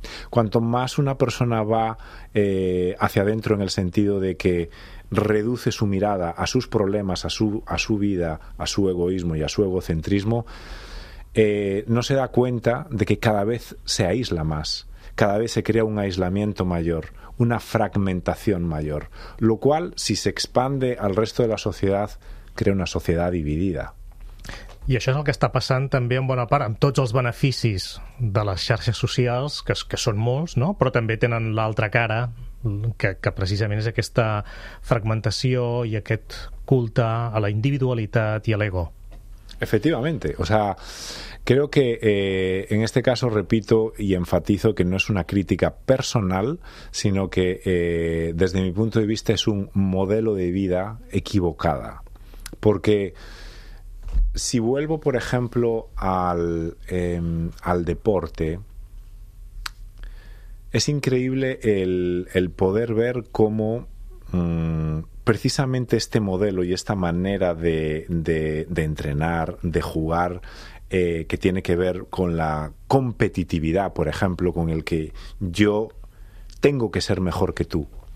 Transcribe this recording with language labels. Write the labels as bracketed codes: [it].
[es] Cuanto más una persona va hacia adentro en el sentido de que reduce su mirada a sus problemas, a su vida, a su egoísmo y a su egocentrismo, no se da cuenta de que cada vez se aísla más, cada vez se crea un aislamiento mayor, una fragmentación mayor, lo cual, si se expande al resto de la sociedad, crea una sociedad dividida. [ca] I això és el que està passant també en bona part amb tots els beneficis de les xarxes socials, que són molts, no? Però també tenen l'altra cara, que precisament és aquesta fragmentació i aquest culte a la individualitat i a l'ego. [es] Efectivamente, o sea, creo que en este caso repito y enfatizo que no es una crítica personal, sino que desde mi punto de vista es un modelo de vida equivocada. Porque si vuelvo, por ejemplo, al deporte, es increíble el poder ver cómo precisamente este modelo y esta manera de entrenar, de jugar, que tiene que ver con la competitividad, por ejemplo, con el que yo tengo que ser mejor que tú.